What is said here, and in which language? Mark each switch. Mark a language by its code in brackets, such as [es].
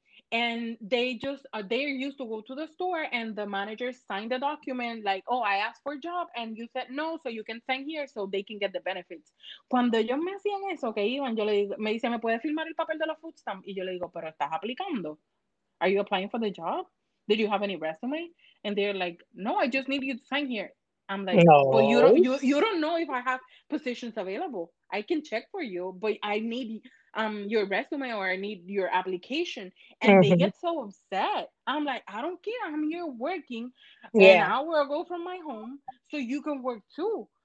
[en] And they just, they used to go to the store and the manager signed the document like, oh, I asked for a job and you said no, so you can sign here so they can get the benefits. [es] Cuando ellos me hacían eso, que iban, yo le digo, me dice, ¿me puedes firmar el papel de la food stamp? Y yo le digo, pero estás aplicando. [en] Are you applying for the job? Did you have any resume? And they're like, no, I just need you to sign here. I'm like, no. But you don't know if I have positions available. I can check for you, but I need your resume or I need your application. And they get so upset. I'm like, I don't care. I'm here working an hour ago from my home, so you can work too.